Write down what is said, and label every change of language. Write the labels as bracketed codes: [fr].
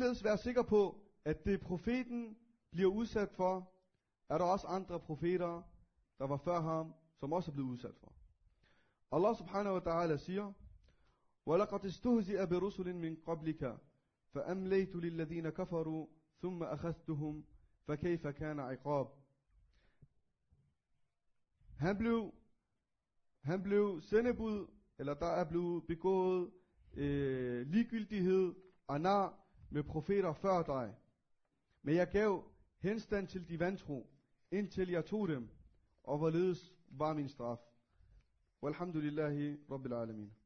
[da] Vi skal ligeledes være sikre på, at det profeten bliver udsat for, er der også andre profeter, der var før ham, som også er blevet udsat for. Allah subhanahu wa ta'ala siger, [ar] وَلَقَدْ اِسْتُهْزِئَ بِرُسُلٍ مِنْ قَبْلِكَ فَأَمْلَيْتُ لِلَّذِينَ كَفَرُوا ثُمَّ أَخَذْتُهُمْ فَكَيْفَ كَانَ عِقَابٌ. [da] Han blev sendebud, eller der er blevet begået ligegyldighed og nar med profeter før dig. Men jeg gav henstand til de vantro, indtil jeg tog dem, og hvorledes var min straf. [ar] والحمد لله رب العالمين